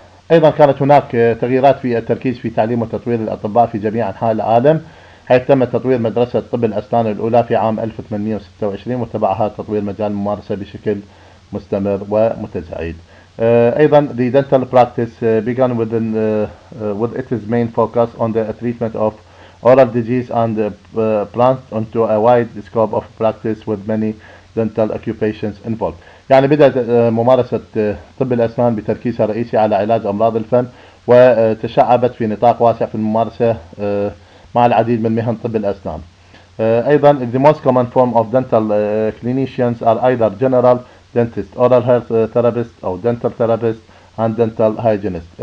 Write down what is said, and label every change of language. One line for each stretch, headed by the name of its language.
Arabic: أيضا كانت هناك تغييرات في التركيز في تعليم وتطوير الأطباء في جميع أنحاء العالم حيث تم تطوير مدرسة طب الأسنان الأولى في عام 1826 وتبعها تطوير مجال الممارسة بشكل مستمر ومتزايد.
English: أيضا the dental practice began within with its main focus on the treatment of oral disease and branched onto a wide scope of practice with many dental occupations involved.
Arabic: يعني بدأت ممارسة طب الأسنان بتركيزها الرئيسي على علاج أمراض الفم، وتشعبت في نطاق واسع في الممارسة مع العديد من مهن طب الأسنان.
English: أيضا the most common form of dental clinicians are either general dentist, oral health therapist أو dental therapist and dental hygienist.